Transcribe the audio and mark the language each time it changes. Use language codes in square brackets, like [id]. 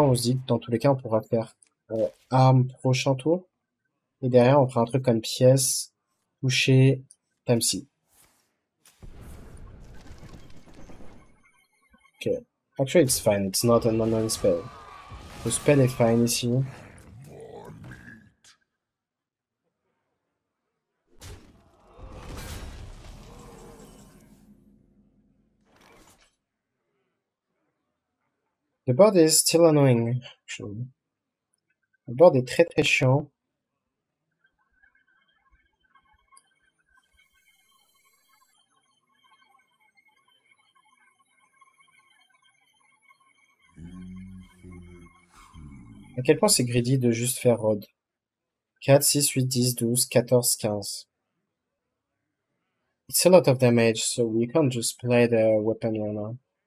[fr] On se dit que dans tous les cas on pourra faire arme prochain tour. Et derrière on fera un truc comme pièce, toucher, time si. Ok. [en] Actually it's fine, it's not an unknown spell. [fr] Le spell est fine ici. [en] The board is still annoying, actually. [fr] Le board est très très chiant. À quel point c'est greedy de juste faire rod? 4, 6, 8, 10, 12, 14, 15. [en] It's a lot of damage, so we can't just play the weapon right now.